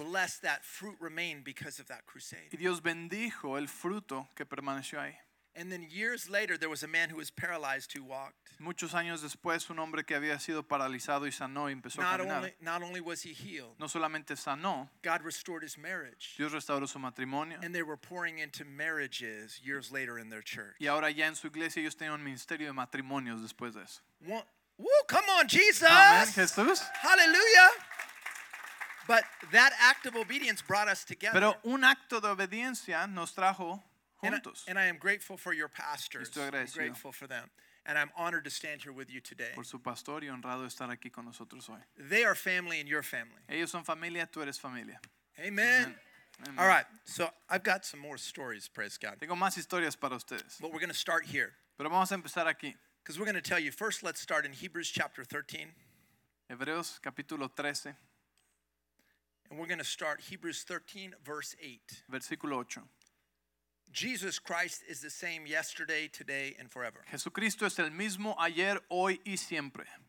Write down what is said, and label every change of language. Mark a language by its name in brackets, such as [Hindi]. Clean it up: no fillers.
[English] And God just blessed that fruit remained because of that crusade. [Spanish] Y Dios bendijo el fruto que permaneció ahí. [English] And then years later, there was a man who was paralyzed who walked. [Spanish] Muchos años después, un hombre que había sido paralizado y sanó y empezó [English] not [Spanish] a caminar. [English] Not only was he healed. [Spanish] No solamente sanó. [English] God restored his marriage. [Spanish] Dios restauró su matrimonio. [English] And they were pouring into marriages years later in their church. [Spanish] Y ahora ya en su iglesia ellos tenían un ministerio de matrimonios después de eso. [English] Woo, come on, Jesus! [Spanish] Amen, Jesús. [English] Hallelujah! But that act of obedience brought us together. [Spanish] Pero un acto de obediencia nos trajo. [English] And I am grateful for your pastors. [Spanish] Estoy agradecido. [English] I'm grateful for them. And I'm honored to stand here with you today. [Spanish] Por su pastor y honrado estar aquí con nosotros hoy. [English] They are family and you're family. [Spanish] Ellos son familia, tú eres familia. [English] Amen. Amen. All right, so I've got some more stories, praise God. [Spanish] Tengo más historias para ustedes. [English] But we're going to start here. [Spanish] Pero vamos a empezar aquí. [English] Because we're going to tell you, first let's start in Hebrews chapter 13. [Spanish] Hebreos capítulo 13. [English] And we're going to start Hebrews 13 verse 8. [Spanish] Versículo 8. [English] Jesus Christ is the same yesterday, today, and forever. [Spanish] Jesucristo es el mismo ayer, hoy, y siempre.